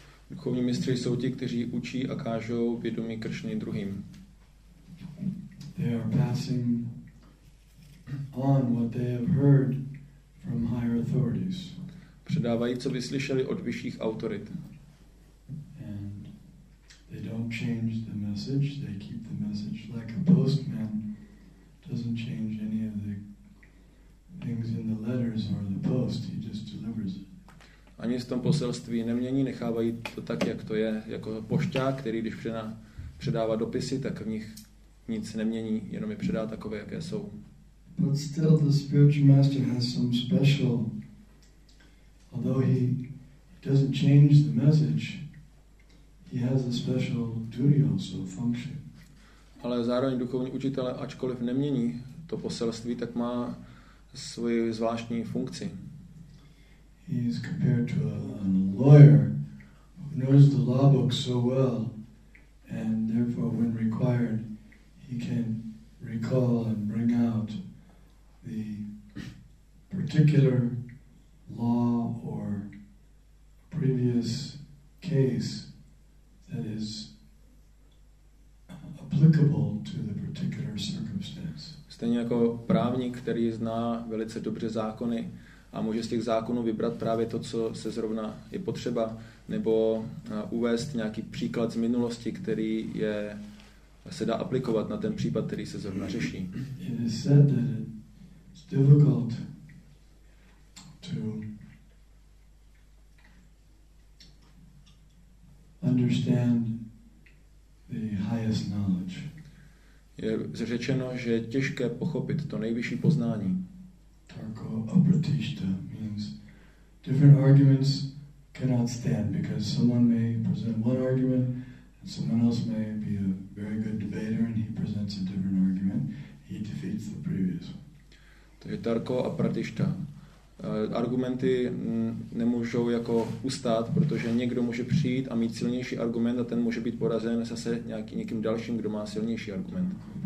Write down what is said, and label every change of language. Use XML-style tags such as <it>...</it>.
<cs>Duchovní mistři jsou ti, kteří učí a kážou vědomí Kršny druhým.</cs> <en>They are passing on what they have heard from higher authorities.</en> <cs>Předávají, co vyslyšeli od vyšších autorit.</cs> <en>And they don't change the message, they keep the message like a postman doesn't change any of the things in the letters or the post, he just delivers it.</en> <cs>ani v tom poselství nemění, nechávají to tak, jak to je, jako pošťák, který když předává dopisy, tak v nich nic nemění, jenom je předá takové, jaké jsou.</cs> <en>But still the spiritual master has some special, although he doesn't change the message, he has a special duty also, function.</en> <cs>Ale zároveň duchovní učitel, ačkoliv nemění to poselství, tak má svoji zvláštní funkci.</cs> <en>He is compared to a lawyer who knows the law book so well, and therefore when required he can recall and bring out the particular law or previous case that is applicable to the particular circumstance.</en> <cs>Stejně jako právník, který zná velice dobře zákony a může z těch zákonů vybrat právě to, co se zrovna je potřeba, nebo uvést nějaký příklad z minulosti, který je se dá aplikovat na ten případ, který se zrovna řeší.</cs> <en>It is said that it's difficult to understand the highest knowledge.</en> <cs>Je řečeno, že je těžké pochopit to nejvyšší poznání.</cs> <en>Tarko apratishta means different arguments cannot stand because someone may present one argument and someone else may be a very good debater and he presents a different argument, he defeats the previous.</en> <cs>Takže tarko apratishta. Argumenty nemůžou jako ustát, protože někdo může přijít a mít silnější argument a ten může být porazen zase někým dalším, kdo má silnější argument.</cs>